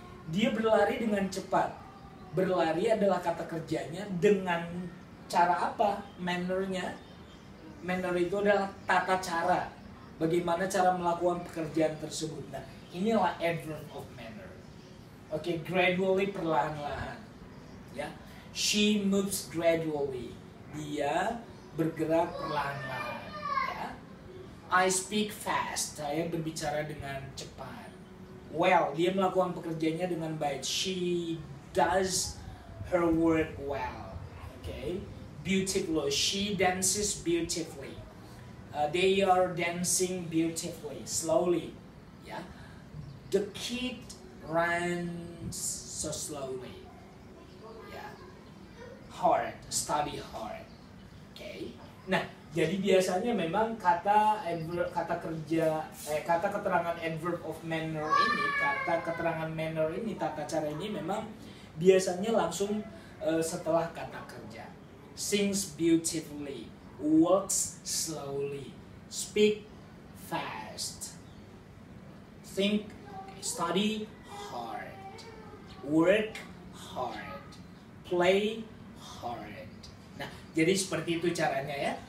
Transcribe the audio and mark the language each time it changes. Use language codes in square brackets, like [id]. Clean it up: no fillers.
[id] Dia berlari dengan cepat. Berlari adalah kata kerjanya. Dengan cara apa? Mannernya. Manner itu adalah tata cara. Bagaimana cara melakukan pekerjaan tersebut. Nah, inilah adverb of manner. [en] Oke, okay, gradually, perlahan-lahan. Ya, she moves gradually. [id] Dia bergerak perlahan-lahan. Ya, [en] I speak fast. [id] Saya berbicara dengan cepat. Well, dia melakukan pekerjaannya dengan baik. [en] She does her work well. Okay. Beautiful. She dances beautifully. they are dancing beautifully, slowly. Yeah. The kid runs so slowly. Yeah. [id] Hard, study hard. Okay. Nah, jadi biasanya memang kata adverb, kata kerja, kata keterangan adverb of manner ini, kata keterangan manner ini, tata cara ini memang biasanya langsung setelah kata kerja. [en] Sings beautifully, walks slowly, speak fast, think, study hard, work hard, play hard. [id] Nah, jadi seperti itu caranya ya.